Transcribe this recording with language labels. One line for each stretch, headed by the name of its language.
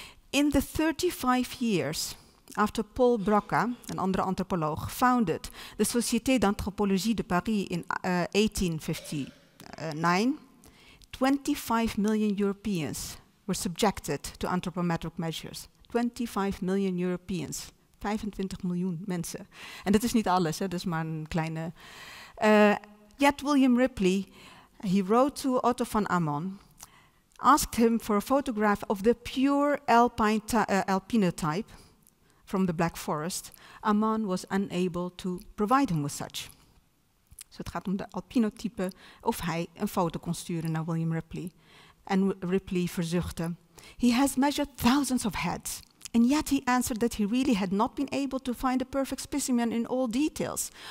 English: In the 35 years after Paul Broca,
Dutch: een andere antropoloog,
English: founded the Société d'Anthropologie de Paris in 1859, 25 million Europeans were subjected to anthropometric measures. 25 million Europeans.
Dutch: 25 miljoen mensen. En dat is niet alles, hè, dat is maar een kleine...
English: yet William Ripley... He wrote to Otto von Amon, asked him for a photograph of the pure alpine type from the Black Forest. Amon was unable to provide him with such.
Dutch: So het gaat om de alpine type, of hij een foto kon sturen naar William Ripley.
English: And Ripley
Dutch: verzuchtte.
English: He has measured thousands of heads, and yet he answered that he really had not been able to find a perfect specimen in all details.